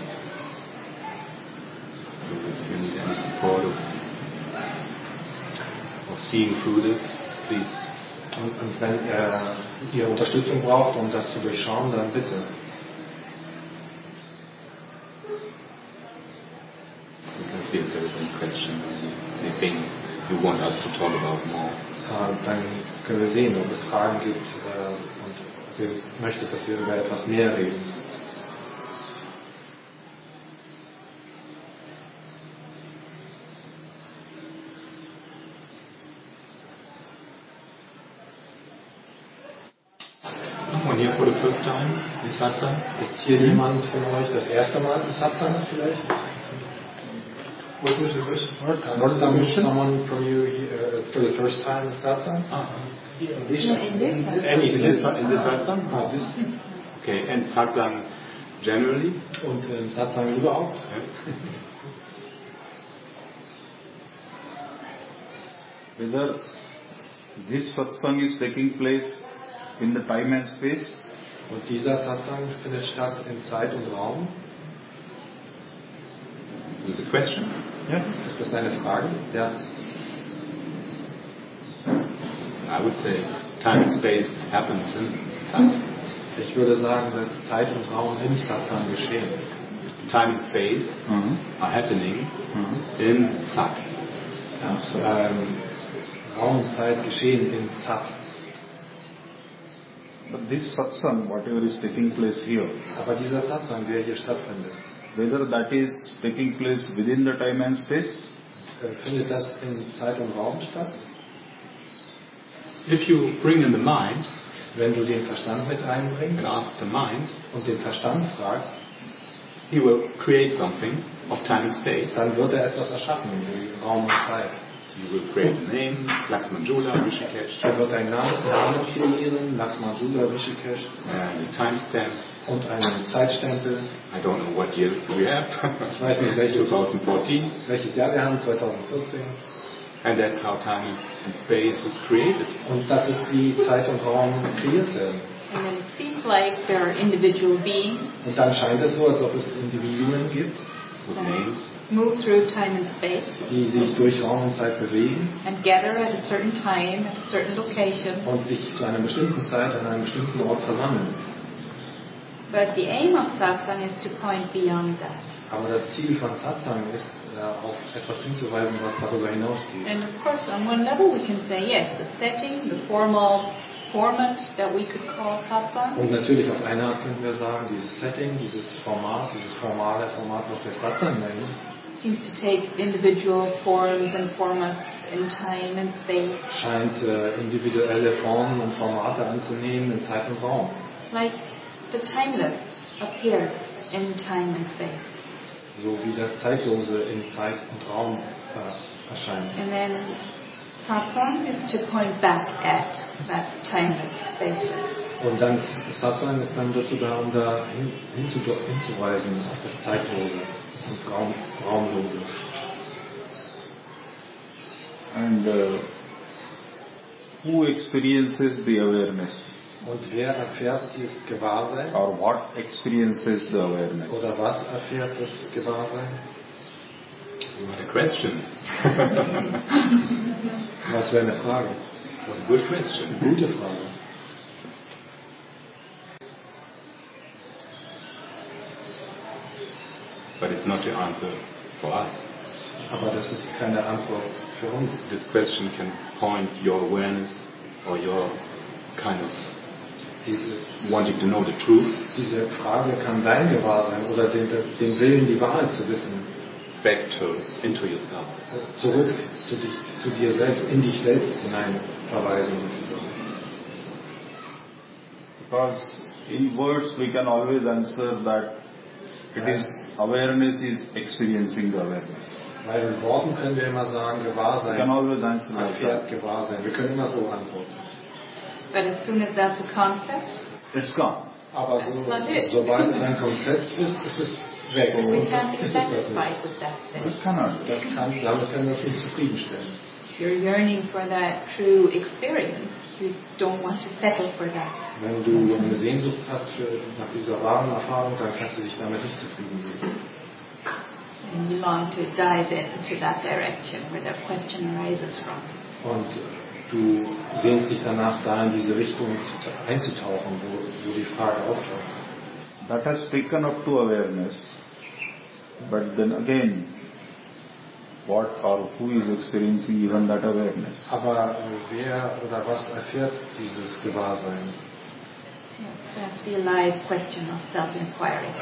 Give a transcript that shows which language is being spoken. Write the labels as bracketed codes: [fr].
[en] So if you need any support of seeing through this, please. [de] Und wenn ihr Unterstützung braucht, um das zu durchschauen, dann bitte. [en] See if there is any question or anything you want us to talk about more. [de] Dann können wir sehen, ob es Fragen gibt und wir möchten, dass wir über etwas mehr reden. [en] Someone here for the first time in Satsang? [de] Ist hier jemand von euch das erste Mal in Satsang vielleicht? [en] What was your first part? Was someone from you for the first time in satsang? Uh-huh. In this satsang? Ah, this. Okay, and satsang generally? [de] Und satsang überhaupt? [en] Yeah. Whether this satsang is taking place in the time and space, [de] Und dieser Satsang findet statt in Zeit und Raum. [en] Is it a question? [de] Ja. Ist das eine Frage? Ja. [en] I would say time and space happens in Sat. [de] Ich würde sagen, dass Zeit und Raum in Satsang geschehen. [en] Time and space are happening in Sat. [de] Also, Raum und Zeit geschehen in Sat. [en] But this satsang, whatever is taking place here, [de] aber dieser Satsang, der hier stattfindet, [en] whether that is taking place within the time and space, [de] findet das in Zeit und Raum statt? [en] If you bring in the mind, [de] wenn du den Verstand mit einbringst, [en] and ask the mind, [de] und den Verstand fragst, [en] he will create something of time and space, [de] dann wird etwas erschaffen, Raum und Zeit. [en] You will create a name, Lakshmanjula, Rishikesh. [de] Er wird einen Namen kreieren, Lakshmanjula, Rishikesh. [en] And a timestamp. [de] Und einen Zeitstempel. [en] I don't know what year we have. [de] Ich weiß nicht, welches [en] 2014. [de] Welches Jahr wir haben, 2014. [en] And that's how time and space is created. [de] Und das ist, wie Zeit und Raum kreiert werden. [en] And then it seems like there are individual beings. [de] Und dann scheint es so, als ob es Individuen gibt. [en] Move through time and space, [de] die sich durch Raum und Zeit bewegen, [en] and gather at a certain time, at a certain location, [de] und sich zu einer bestimmten Zeit an einem bestimmten Ort versammeln. [en] But the aim of satsang is to point beyond that. [de] Aber das Ziel von Satsang ist, auf etwas hinzuweisen, was darüber hinausgeht. [en] And of course, on one level we can say yes, the setting, the formal format that we could call satsang. [de] Und natürlich auf eine Art können wir sagen, dieses Setting, dieses formale Format, was wir Satsang nennen, [en] seems to take individual forms and formats in time and space. [de] Scheint individuelle Formen und Formate anzunehmen in Zeit und Raum. [en] Like the timeless appears in time and space. [de] So wie das Zeitlose in Zeit und Raum erscheint. [en] And then satsang is to point back at that timeless space. [de] Und dann Satsang ist dann dazu da, um da hinzuweisen auf das Zeitlose und Raumlose. [en] And who experiences the awareness? [de] Und wer erfährt dieses Gewahrsein? [en] Or what experiences the awareness? [de] Oder was erfährt das Gewahrsein? [en] What a question. [de] Was wäre eine Frage? [en] What a good question. [de] Gute Frage. [en] But it's not the answer for us. [de] Aber das ist keine Antwort für uns. [en] This question can point your awareness or your kind of [de] diese, [en] wanting to know the truth. [de] Diese Frage kann dein Gewahrsein oder den Willen, die Wahrheit zu wissen. [en] Back to into yourself. [de] Zurück zu dich, zu dir selbst, in dich selbst hinein verweisen. [en] Because in words we can always answer that it is awareness is experiencing the awareness. [de] Weil in Worten können wir immer sagen, Gewahrsein. [en] We can always answer like that. [de] Gewahrsein. Wir können immer so antworten. [en] But as soon as that's a concept, it's gone. [de] Aber so, sobald es ein Konzept ist, ist es weg. [en] We can't be satisfied with that thing. [de] Damit können wir uns nicht zufriedenstellen. [en] If you're yearning for that true experience, you don't want to settle for that. [de] Wenn du eine Sehnsucht hast nach dieser wahren Erfahrung, dann kannst du dich damit nicht zufrieden geben. [en] And you long to dive into that direction where that question arises from. [de] Und du sehnst dich danach, da in diese Richtung einzutauchen, wo die Frage auftaucht. [en] That has taken up to awareness, but then again, what or who is experiencing even that awareness? [de] Aber wer oder was erfährt dieses Gewahrsein? [en] Yes, that's the alive question of self-inquiry.